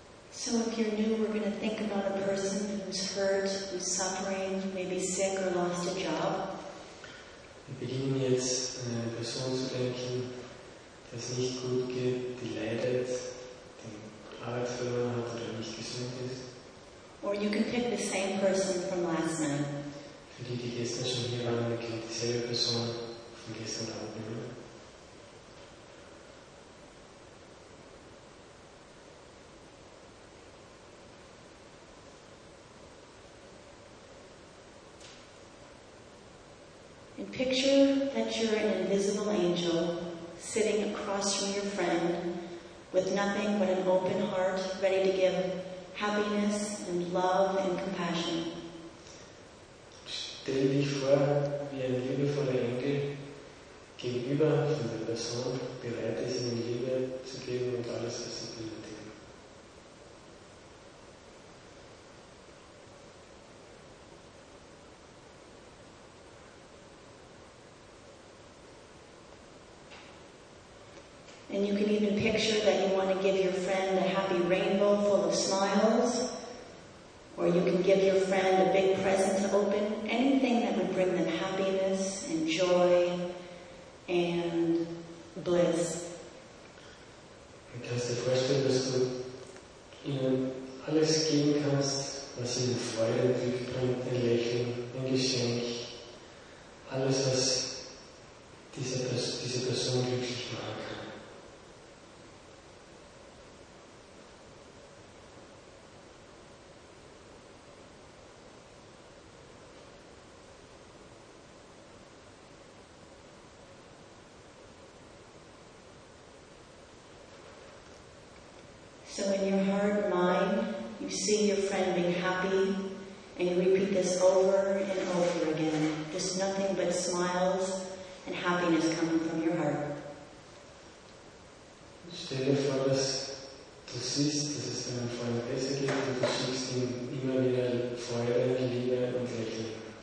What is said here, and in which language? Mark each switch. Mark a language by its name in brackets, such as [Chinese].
[English] So if you're new, we're going to think about a person who's hurt, who's suffering, maybe sick or lost a job. [German] Wir beginnen jetzt, eine Person zu denken, der es nicht gut geht, die leidet, die Arbeit verloren hat oder nicht gesund ist. [English] Or you can pick the same person from last night. [German] Für die, die gestern schon hier waren, wir können dieselbe Person von gestern Abend nehmen. [English] Picture that you're an invisible angel sitting across from your friend with nothing but an open heart ready to give happiness and love and compassion. [German] Stell dich vor, wie ein liebevoller Engel gegenüber von der Person bereit ist, ihnen Liebe zu geben und alles, was sie benötigen. [English] And you can even picture that you want to give your friend a happy rainbow full of smiles, or you can give your friend a big present to open, anything that would bring them happiness and joy and bliss. [German] Du kannst dir vorstellen, dass du ihnen alles geben kannst, was ihnen Freude bringt, ein Lächeln, ein Geschenk, alles, was diese Person glücklich machen kann. [English] So in your heart, mind, you see your friend being happy, and you repeat this over and over again. Just nothing but smiles and happiness coming from your heart. [German] Stell dir vor, dass du siehst, dass es deinem Freund besser geht, und du schickst ihm immer wieder Freude, Liebe und Lächeln.